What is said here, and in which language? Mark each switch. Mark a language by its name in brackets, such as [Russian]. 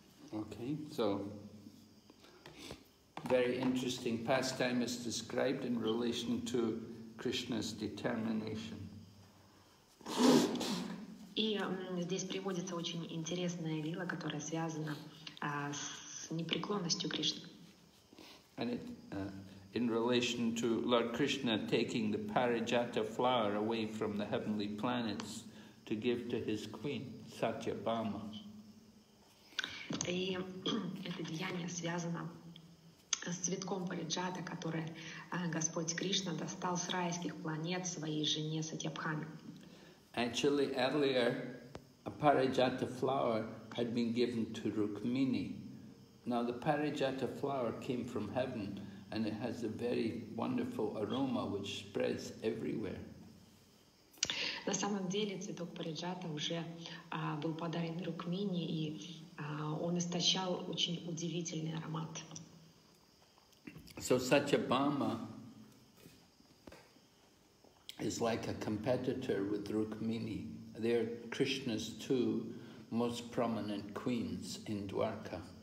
[English] Okay, so very interesting pastime is described in relation to Krishna's determination. [Russian] И здесь приводится очень интересная лила, которая связана с непреклонностью Кришны. [English] And it, in relation to Lord Krishna taking the Parijata flower away from the heavenly planets to give to his queen, Satyabhama. [Russian] И это деяние связано с цветком Париджата, который Господь Кришна достал с райских планет своей жене Сатьябхаме. [English] Actually, earlier, a Parijata flower had been given to Rukmini. Now, the Parijata flower came from heaven, and it has a very wonderful aroma which spreads everywhere. [Russian] На самом деле, цветок Париджата уже был подарен Рукмини, и он источал очень удивительный аромат. [English] So Satyabhama is like a competitor with Rukmini. They are Krishna's two most prominent queens in Dwarka.